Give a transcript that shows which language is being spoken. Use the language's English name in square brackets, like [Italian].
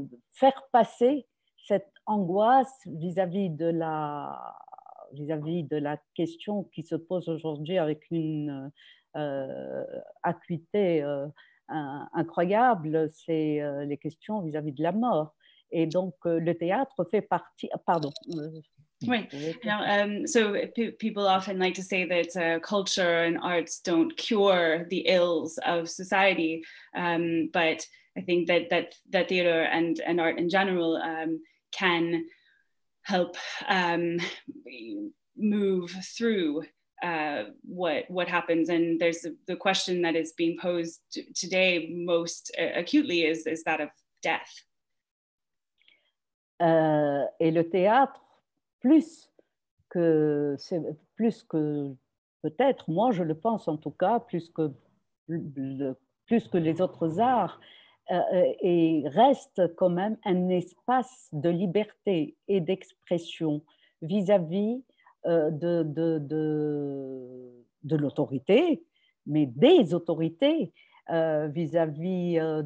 [French] faire passer cette angoisse vis-à-vis de la question qui se pose aujourd'hui avec une acuité incroyable, c'est les questions vis-à-vis de la mort. Et donc, le théâtre fait partie... Pardon. Oui. [English] Now, so people often like to say that culture and arts don't cure the ills of society, but I think that theater and art in general can help move through what happens. And there's the question that is being posed today most acutely is that of death. [French] Et le théâtre, plus que peut-être, moi je le pense en tout cas, plus que les autres arts, et reste quand même un espace de liberté et d'expression vis-à-vis de l'autorité, mais des autorités, vis-à-vis